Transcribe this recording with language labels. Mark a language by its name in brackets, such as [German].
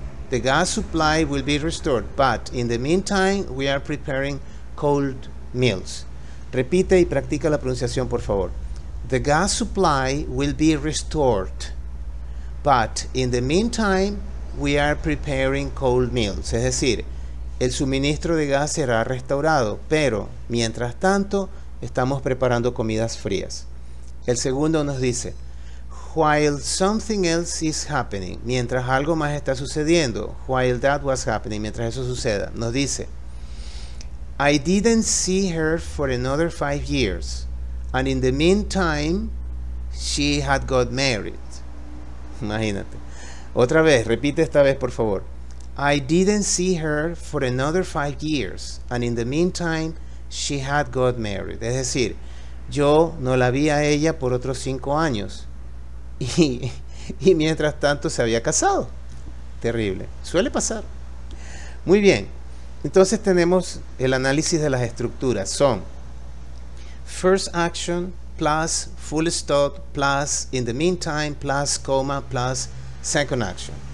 [English] The gas supply will be restored, but in the meantime, we are preparing cold meals. [Spanish] Repite y practica la pronunciación, por favor. [English] The gas supply will be restored, but in the meantime, we are preparing cold meals. [Spanish] Es decir, El suministro de gas será restaurado, pero mientras tanto estamos preparando comidas frías. [English] El segundo nos dice, while something else is happening, [Spanish] mientras algo más está sucediendo, [English] while that was happening, [Spanish] mientras eso suceda, nos dice, [English] I didn't see her for another 5 years, and in the meantime, she had got married. [Spanish] Imagínate. Otra vez, repite esta vez, por favor. [English] I didn't see her for another 5 years, and in the meantime, she had got married. [Spanish] Es decir, yo no la vi a ella por otros 5 años. Y mientras tanto se había casado. Terrible. Suele pasar. Muy bien. Entonces tenemos el análisis de las estructuras. Son [English] first action plus full stop plus in the meantime plus coma plus second action.